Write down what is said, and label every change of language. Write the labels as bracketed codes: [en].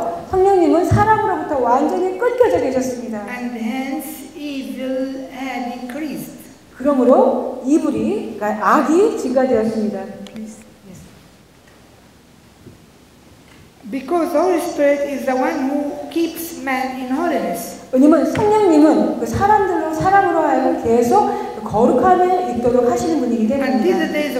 [ko] 성령님은 사람으로부터 완전히 끊겨져 계셨습니다. [en] And hence evil had increased. [ko] 그러므로 이불이, 그러니까 악이 증가되었습니다. [en] Because the Holy Spirit is the one who keeps man in holiness. [ko] 왜냐면 성령님은 그 사람으로 하여 계속 거룩함에 있도록 하시는 분이기 때문입니다.